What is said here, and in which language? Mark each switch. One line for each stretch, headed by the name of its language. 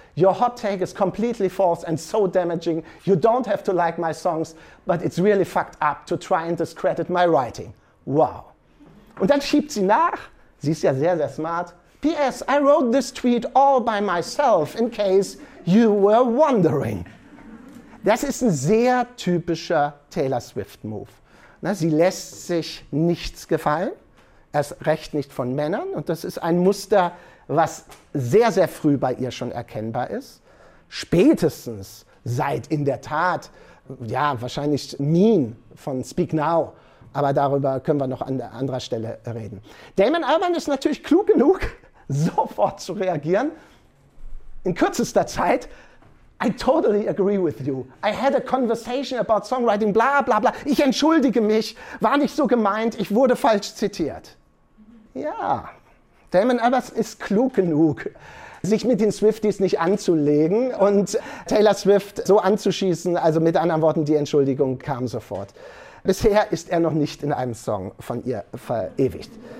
English: Your hot take is completely false and so damaging. You don't have to like my songs, but it's really fucked up to try and discredit my writing.
German: Wow. Und dann schiebt sie nach. Sie ist ja sehr, sehr smart. P.S.
English: I wrote this tweet all by myself, in case you were wondering.
German: Das ist ein sehr typischer Taylor Swift-Move. Na, sie lässt sich nichts gefallen, erst recht nicht von Männern. Und das ist ein Muster, was sehr, sehr früh bei ihr schon erkennbar ist. Spätestens seit in der Tat, ja, wahrscheinlich Mean von Speak Now. Aber darüber können wir noch an anderer Stelle reden. Damon Albarn ist natürlich klug genug, sofort zu reagieren. In kürzester Zeit.
English: I totally agree with you. I had a conversation about songwriting, bla bla bla.
German: Ich entschuldige mich, war nicht so gemeint, ich wurde falsch zitiert. Ja, Damon Albarn ist klug genug, sich mit den Swifties nicht anzulegen und Taylor Swift so anzuschießen. Also mit anderen Worten, die Entschuldigung kam sofort. Bisher ist er noch nicht in einem Song von ihr verewigt.